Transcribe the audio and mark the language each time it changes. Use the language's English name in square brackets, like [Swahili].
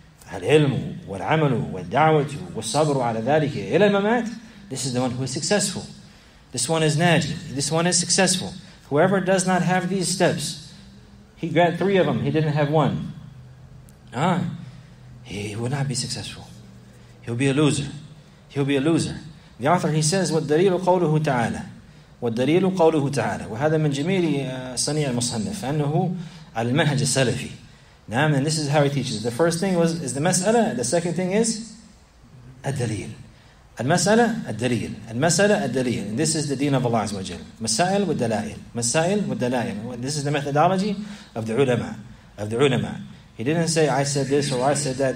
[Arabic] Al-ilmu, wal-amalu, wal-da'watu, wal-sabru ala dhalika, ila mamat. [English] This is the one who is successful. This one is naji. This one is successful. Whoever does not have these steps, he got three of them. He didn't have one. He will not be successful. He'll be a loser. The author, he says, [Arabic] وَالدَّلِيلُ قَوْلُهُ تَعَالَى وَالدَّلِيلُ قَوْلُهُ تَعَالَى وَهَذَا مِنْ جَمِيلِ صَنِيعِ الْمُصَنِّفِ أَنُّهُ عَلَى الْمَهَجِ السَّلَفِي. [English] Now, and this is how he teaches. The first thing is the mas'ala. The second thing is الدَّلِيل. [Arabic] المسألة الدليل. المسألة الدليل. [English] And this is the deen of Allah Azza wa Jal. [Arabic] مسائل والدلائل. مسائل والدلائل. [English] This is the methodology of the ulama. He didn't say, I said this or I said that.